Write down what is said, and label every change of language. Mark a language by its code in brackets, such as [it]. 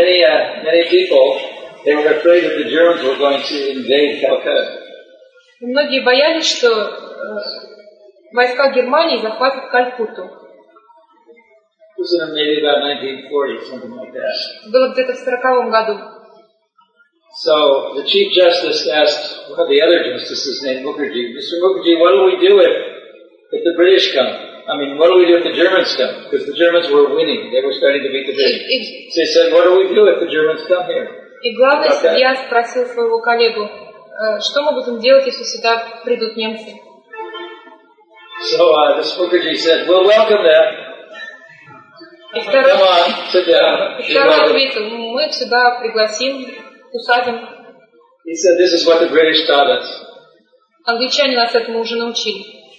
[en] Many people, they were afraid that the Germans were going to invade Calcutta. [ru] Многие боялись, что войска Германии захватят Калькутту. [en] Was it maybe about 1940, something like that? [ru] Было где-то в 40-м году. [en] So the Chief Justice asked one of the other justices named Mukherjee, Mr. Mukherjee, what will we do if the British come? I mean, what do we do if the Germans come? Because the Germans were winning. They were starting to beat the British. So he said, what do we do if the Germans come here? [ru] И главный судья спросил своего коллегу, что мы будем делать, если сюда придут немцы? [en] So this Mukherjee said, we'll welcome them. [ru] И второй, [en] come on, sit down. [ru] И второй ответил, мы сюда пригласим, усадим. [en] He said, this is what the British taught us. [ru] Англичане нас этому уже научили.